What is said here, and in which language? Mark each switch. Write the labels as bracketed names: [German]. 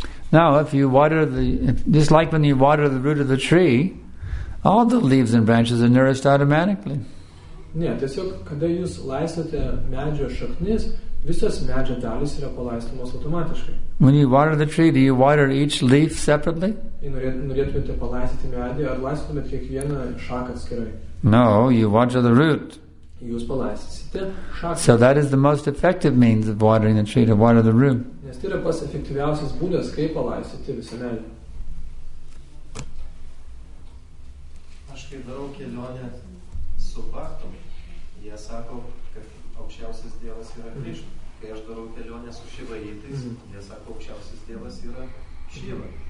[English] Now, if you water just like when you water the root of the tree, all the leaves and branches are nourished automatically. [Lithuanian] Ne, tiesiog, kada jūs laisvate medžio šaknis, visos medžio dalys yra palaistomos automatiškai. [English] When you water the tree, do you water each leaf separately? [Lithuanian] Norėtumėte palaistyti medį, ar laistumėt kiekvieną šaką atskirai? [English] No, you water the root. [Lithuanian] Jūs palaistysite šaką. [English] So that is the most effective means of watering the tree, to water the root. [Lithuanian] Nes tai yra pas efektyviausias būdas, kaip palaistyti visą medį. Aš kai darau kelionę su Bhaktom, jie sako, aukščiausias dievas yra Krišna. Kai aš darau kelionę su Šivaitais, jie sako, aukščiausias dievas yra Šiva.